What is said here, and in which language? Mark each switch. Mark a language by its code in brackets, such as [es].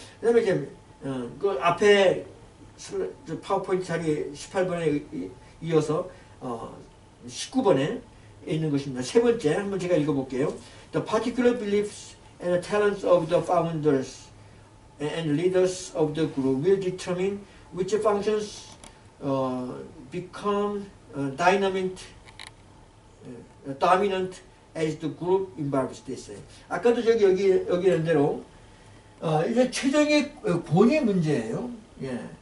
[ko] 그다음에 이제 그 앞에 파워포인트 자리 18번에 이어서 19번에 있는 것입니다. 세 번째 한번 제가 읽어볼게요. [en] The particular beliefs and talents of the founders and leaders of the group will determine which functions become dominant as the group involves. [ko] 됐어요. 아까도 여기 있는 대로 이제 최종의 권위 문제예요. 예.